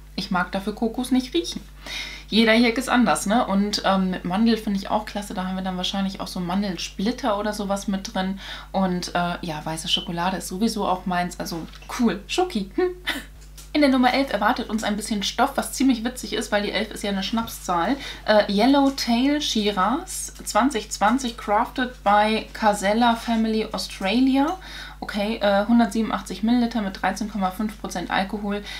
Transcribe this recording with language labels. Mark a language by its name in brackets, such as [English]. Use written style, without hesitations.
[German] Ich mag dafür Kokos nicht riechen. Jeder hier ist anders, ne? Und mit Mandel finde ich auch klasse. Da haben wir dann wahrscheinlich auch so Mandelsplitter oder sowas mit drin. Und ja, weiße Schokolade ist sowieso auch meins. Also cool. Schoki. In der Nummer 11 erwartet uns ein bisschen Stoff, was ziemlich witzig ist, weil die 11 ist ja eine Schnapszahl. [English] Yellowtail Shiraz 2020, crafted by Casella Family Australia. [German] Okay, 187 Milliliter mit 13,5% Alkohol.